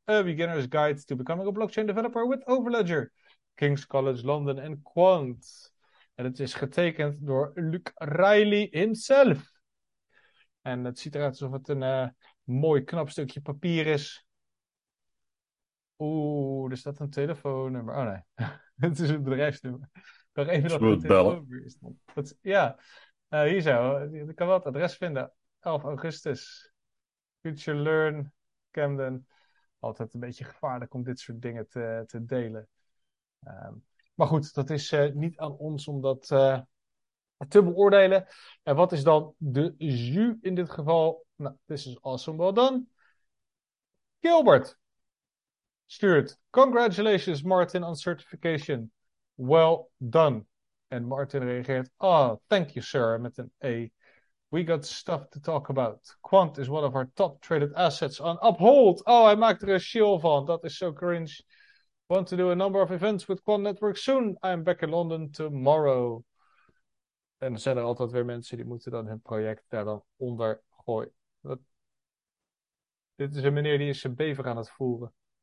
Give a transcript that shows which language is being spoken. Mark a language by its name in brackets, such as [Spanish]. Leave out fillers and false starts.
[English] A beginner's guide to becoming a blockchain developer with Overledger. King's College London and Quant. [Dutch] En het is getekend door Luke Riley himself. En het ziet eruit alsof het een mooi knap stukje papier is. Oeh, er staat een telefoonnummer. Oh nee, het is een bedrijfsnummer. Nog even dat het telefoonnummer is. Dat, ja, hier zo. Ik kan wel het adres vinden. 11 augustus. Future Learn, Camden. Altijd een beetje gevaarlijk om dit soort dingen te delen. Maar goed, dat is niet aan ons om dat te beoordelen. En wat is dan de jus in dit geval? Nou, [English] this is awesome. Well done. [Dutch] Gilbert stuurt. [English] Congratulations, Martin, on certification. Well done. [Dutch] En Martin reageert. [English] Ah, oh, thank you, sir. [Dutch] Met een A. [English] We got stuff to talk about. Quant is one of our top traded assets on Uphold. [Dutch] Oh, hij maakt er een shill van. Dat is zo cringe. [English] Want to do a number of events with Quant Network soon. I'm back in London tomorrow. [Dutch] En dan zijn er altijd weer mensen die moeten dan hun project daar dan onder gooien. Dat... Dit is een meneer die is zijn bever aan het voeren.